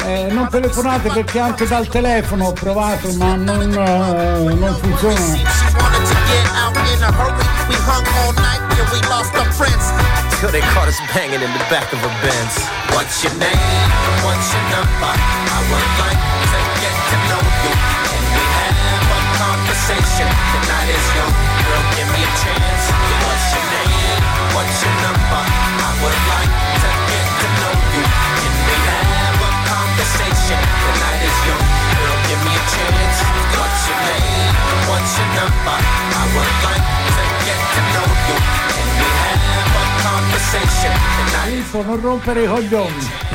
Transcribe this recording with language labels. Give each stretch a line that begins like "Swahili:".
Italian: Non telefonate, perché anche dal telefono ho provato, ma non funziona.
English: Till they caught us banging in the back of a Benz. What's your name? What's your number? I would like to get to know you. Can we have a conversation? Tonight is young. Girl, give me a chance. What's your name? What's your number? I would like to get to know you. Can we have a conversation? Tonight is young. Girl, give me a chance. What's your name? What's your number? I would like to get to know you.
Italian: Dico, non rompere i coglioni.